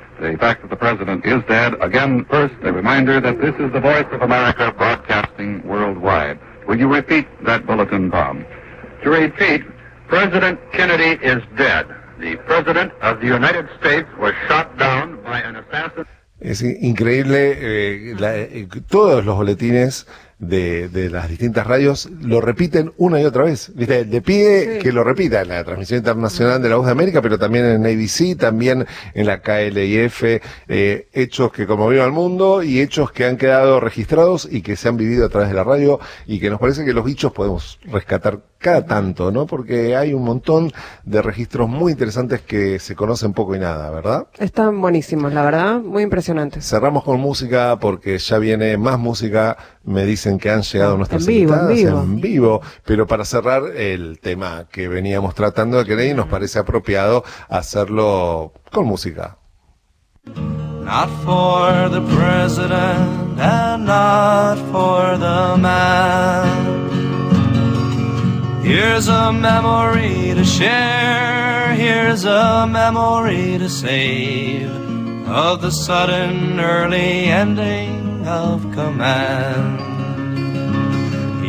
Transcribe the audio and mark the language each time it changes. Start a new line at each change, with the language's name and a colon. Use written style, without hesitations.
English: The fact that the president is dead, again, first, a reminder that this is the Voice of America broadcasting worldwide. Will you repeat that bulletin, Bob? To repeat, President Kennedy is dead. The President of the United States was shot down by an assassin.
Spanish: Es increíble, todos los boletines de las distintas radios lo repiten una y otra vez. Viste, le pide que lo repita en la transmisión internacional de La Voz de América, pero también en ABC, también en la KLIF, hechos que conmovieron al mundo y hechos que han quedado registrados y que se han vivido a través de la radio, y que nos parece que los bichos podemos rescatar cada tanto, ¿no? Porque hay un montón de registros muy interesantes que se conocen poco y nada, ¿verdad? Están buenísimos, la verdad, muy impresionantes. Cerramos con música porque ya viene más música. Me dicen que han llegado nuestras invitadas en vivo, pero para cerrar el tema que veníamos tratando de querer y nos parece apropiado hacerlo con música.
English: Not for the president and not for the man. Here's a memory to share, here's a memory to save, of the sudden early ending of command.